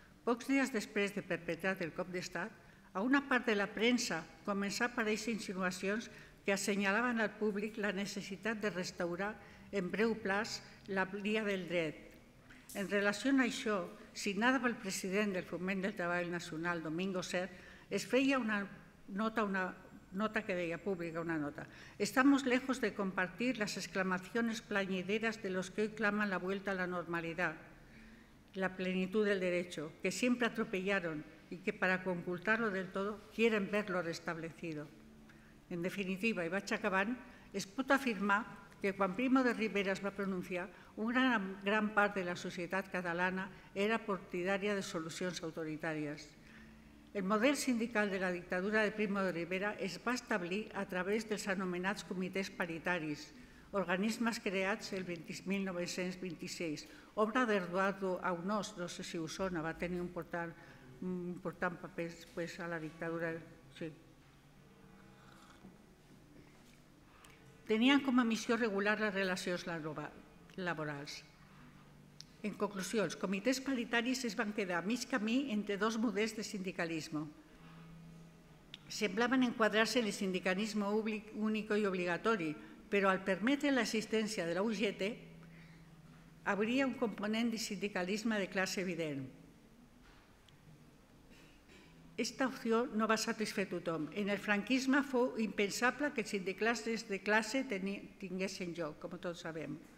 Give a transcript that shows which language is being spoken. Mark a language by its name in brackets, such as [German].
[Catalan] Pocs dies després de perpetrat el cop d'estat, a una part de la premsa començà a aparèixer insinuacions que assenyalaven al públic la necessitat de restaurar en breu plaç la via del dret. En relació a això, signada pel president del Foment del Treball Nacional, Domingo Ser, es feia una nota que deia pública, una nota. [Spanish] Estamos lejos de compartir las exclamaciones plañideras de los que hoy claman la vuelta a la normalidad, la plenitud del derecho, que siempre atropellaron y que para ocultarlo del todo quieren verlo restablecido. [Catalan] En definitiva, i vaig acabant, es pot afirmar que quan Primo de Rivera es va pronunciar, una gran part de la societat catalana era partidària de solucions autoritàries. El model sindical de la dictadura de Primo de Rivera es va establir a través dels anomenats comitès paritaris, organismes creats el 1926, obra d'Eduardo Aunós, no sé si ho sona, va tenir un important paper pues, a la dictadura. Sí. Tenien com a missió regular les relacions laborals. En conclusió, els comitès paritaris es van quedar a mig camí entre dos models de sindicalisme. [Spanish] semblaban encuadrarse en el sindicalismo único y obligatorio, pero al permitir la existencia de la UGT, habría un componente de sindicalismo de clase evidente. Esta opción no va a satisfacer a [Catalan] tothom. [Spanish] En el franquismo fue impensable que el sindicalismo de clase [Catalan] tinguese en lloc, [Spanish] como todos sabemos.